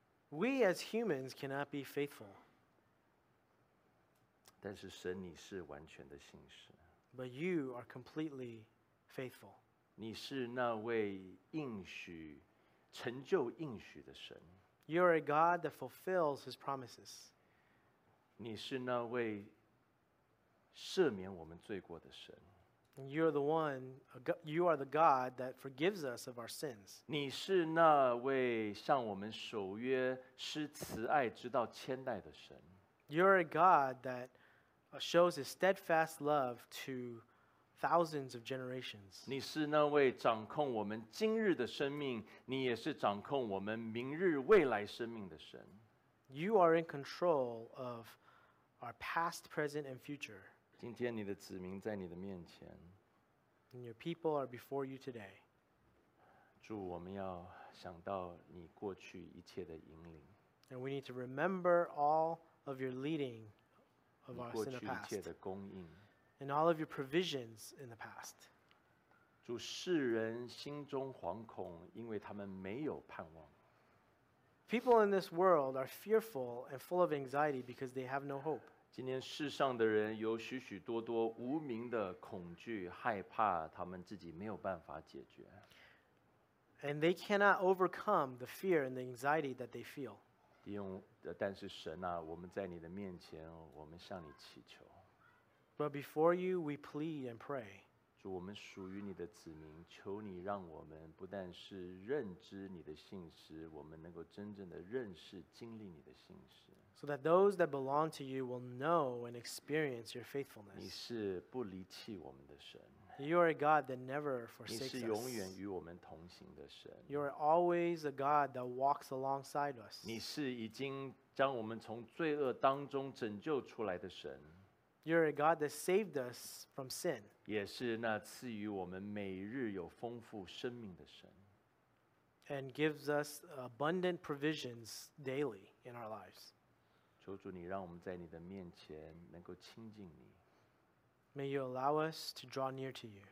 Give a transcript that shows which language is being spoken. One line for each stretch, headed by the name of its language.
English: We as humans cannot be faithful.
Chinese: 但是神，你是完全的信实。
English: But you are completely faithful.
Chinese: 你是那位应许成就应许的神。
English: You are a God that fulfills his promises.
Chinese: 你是那位赦免我们罪过的神。
English: You are the one, you are the God that forgives us of our sins.
Chinese: 你是那位向我们守约施慈爱直到千代的神。
English: You are a God that shows his steadfast love to thousands of generations.
Chinese: 你是那位掌控我们今日的生命，你也是掌控我们明日未来生命的神。
English: You are in control of our past, present, and future.
Chinese: 今天你的子民在你的面前。
English: And your people are before you today.
Chinese: 主，我们要想到你过去一切的引领。
English: And we need to remember all of your leading of us in the past.
Chinese: 你过去一切的供应。
English: And all of your provisions in the past.
Chinese: 主，世人心中惶恐，因为他们没有盼望。
English: People in this world are fearful and full of anxiety because they have no hope.
Chinese: 今天世上的人有许许多多无名的恐惧，害怕他们自己没有办法解决。
English: And they cannot overcome the fear and the anxiety that they feel.
Chinese: 但是神啊，我们在你的面前，我们向你祈求。
English: But before you, we plead and pray.
Chinese: 主，我们属于你的子民，求你让我们不但是认知你的信实，我们能够真正的认识、经历你的信实。
English: So that those that belong to you will know and experience your faithfulness.
Chinese: 你是不离弃我们的神。
English: You are a God that never forsakes us.
Chinese: 你是永远与我们同行的神。
English: You are always a God that walks alongside us.
Chinese: 你是已经将我们从罪恶当中拯救出来的神。
English: You're a God that saved us from sin.
Chinese: 也是那赐予我们每日有丰富生命的神。
English: And gives us abundant provisions daily in our lives.
Chinese: 求主你让我们在你的面前能够亲近你。
English: May you allow us to draw near to you.